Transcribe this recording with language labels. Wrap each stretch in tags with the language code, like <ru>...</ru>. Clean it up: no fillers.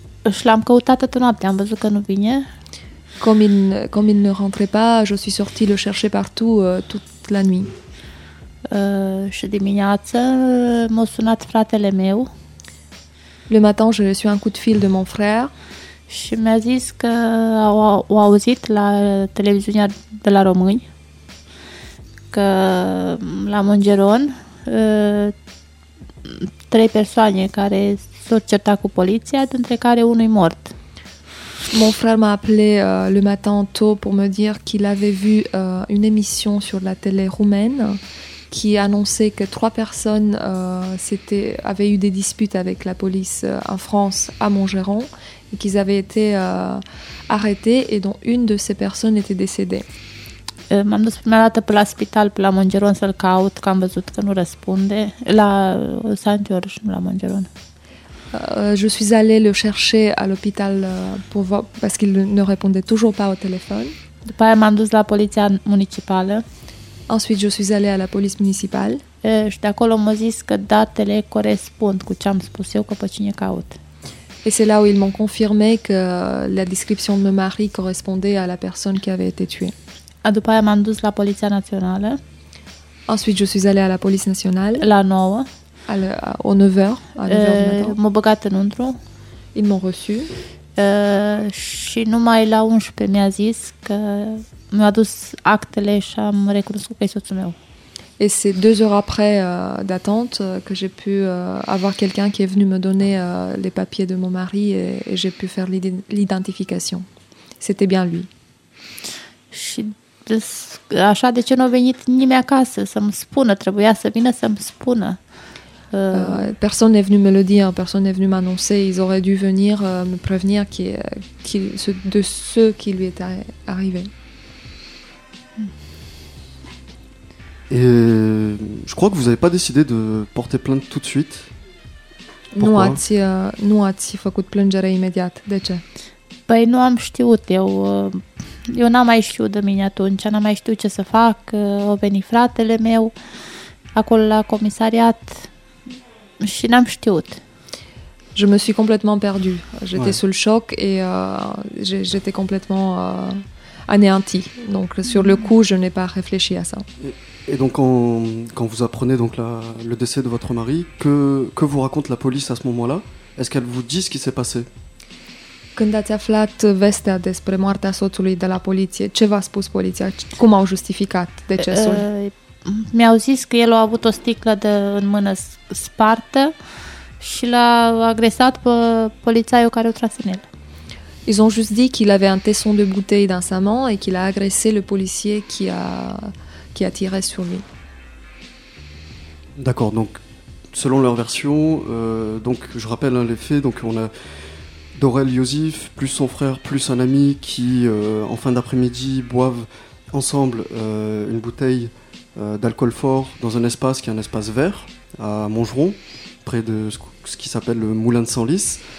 <ro>Și l-am căutat toată noaptea, am văzut că nu vine.</ro> <fr>Comme il ne rentrait pas, je suis sortie le chercher partout toute la nuit.</fr> <ro>Și dimineață m-a sunat fratele meu.</ro> <fr>Le matin, j'ai reçu un coup de fil de mon frère.</fr> <ro>Și mi-a zis că au auzit la televiziunea de la români că la Mongeron trei persoane care s-au certat cu poliția, dintre care unul e mort.</ro> <fr>Mon frère m'a appelé le matin tôt pour me dire qu'il avait vu une émission sur la télé roumaine qui annonçait que trois personnes avaient eu des disputes avec la police en France à Montgeron et qu'ils avaient été arrêtés et dont une de ces personnes était décédée.</fr> <ro>M-am dus prima dată pe la spital, pe la Montgeron să-l caut, că am văzut că nu răspunde la Saint George, nu la Montgeron.</ro> <fr>Je suis allée le chercher à l'hôpital pour voir, parce qu'il ne répondait toujours pas au téléphone.</fr> <ro>După aia m-am dus la poliția municipală.</ro> <fr>Ensuite, je suis allée à la police municipale.</fr> <ro>Și de acolo m-a zis că datele corespund cu ce am spus eu, că pe cine caut.</ro> <fr>Et c'est là où ils m'ont confirmé que la description de mon mari correspondait à la personne qui avait été tuée.</fr> <ro>După aia m-am dus la poliția națională.</ro> <fr>Ensuite, je suis allée à la police nationale.</fr> <ro>La 9.</ro> <fr>Au 9h.</fr> <ro>M-au băgat înăuntru.</ro> <fr>Ils m'ont reçu.</fr> <ro>Și numai la 11 mi-a zis că mi-a adus actele și am recunoscut că e soțul meu.</ro> <fr>Et c'est deux heures après d'attente que j'ai pu avoir quelqu'un qui est venu me donner les papiers de mon mari et j'ai pu faire l'identification. C'était bien lui.</fr> <ro>Și așa, de ce nu a venit nimeni acasă să-mi spună? Trebuia să vină să-mi spună.</ro> <fr>Personne n'est venu me le dire, personne n'est venu m'annoncer. Ils auraient dû venir me prévenir de ce qui lui est arrivé. Et je crois que vous n'avez pas décidé de porter plainte tout de suite. Pourquoi?</fr> <ro>Nu ați făcut plângere imediat. De ce? Păi nu am știut. Eu n-am mai știut de mine atunci, n-am mai știut ce să fac. A venit fratele meu acolo la comisariat. Și n-am știut.</ro> <fr>Je me suis complètement perdue. J'étais sous le choc et j'étais complètement anéantie. Donc sur le coup, je n'ai pas réfléchi à ça. Et donc, quand vous apprenez donc le décès de votre mari, que vous raconte la police à ce moment-là? Est-ce qu'elle vous dit ce qui s'est passé?</fr> <ro>Când ați aflat vestea despre moartea soțului de la poliție, ce v-a spus poliția? Cum au justificat decesul? Mi-au zis că el a avut o sticlă în mână spartă și l-a agresat pe polițaiul care o trase în el.</ro> <fr>Ils ont juste dit qu'il avait un tesson de bouteille dans sa main et qu'il a agressé le policier qui a tiré sur lui. D'accord, donc selon leur version, donc je rappelle les faits, donc on a Dorel Yosif, plus son frère, plus un ami qui, en fin d'après-midi, boivent ensemble une bouteille d'alcool fort dans un espace qui est un espace vert, à Montgeron, près de ce qui s'appelle le Moulin de Senlis.</fr>